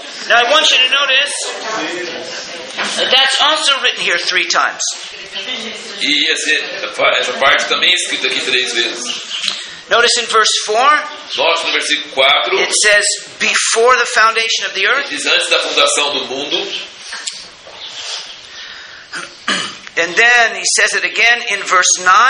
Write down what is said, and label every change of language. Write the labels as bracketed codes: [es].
[en] Now I want you to notice that's also written here three times. [pt] E essa parte também é escrita aqui três vezes. [en] Notice in verse 4. [pt] Note no versículo 4. [en] It says before the foundation of the earth. [pt] Diz antes da fundação do mundo. [en] And then he says it again in verse 9.